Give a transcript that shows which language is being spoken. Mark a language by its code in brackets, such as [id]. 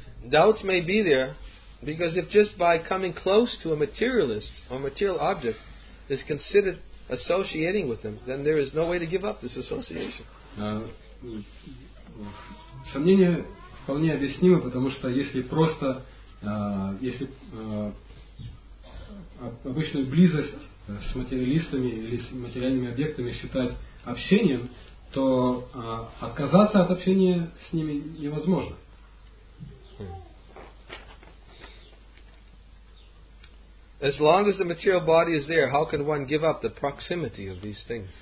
[en] Doubts may be there because if just by coming close to a materialist or material object is considered associating with them, then there is no way to give up this association. [ru] Сомнения вполне объяснимы, потому что если просто если обычную близость с материалистами или с материальными объектами считать общением, то отказаться от общения с ними невозможно. [en] As long as the material body is there, how can one give up the proximity of these things?